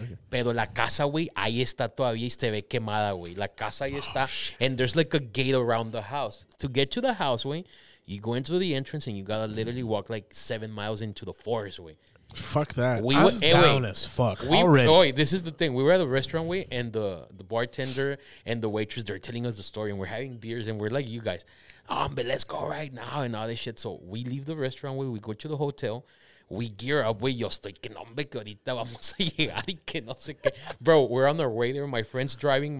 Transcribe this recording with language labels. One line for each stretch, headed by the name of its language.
Spanish: Pero la casa, güey, ahí está todavía y se ve quemada, güey. La casa ahí está.
English: And there's like a gate around the house. To get to the house, güey, you go into the entrance and you gotta literally walk like 7 miles into the forest, güey. Fuck that. I'm down as fuck already. Oh, this is the thing. We were at a restaurant, güey, and the bartender and the waitress, they're telling us the story and we're having beers and we're like, you guys, but let's go right now and all this shit. So we leave the restaurant, güey, we go to the hotel. We gear up,
Spanish: güey. Yo estoy que no me que ahorita vamos a llegar y que no sé qué.
English: Bro, we're on our way there. My friend's driving.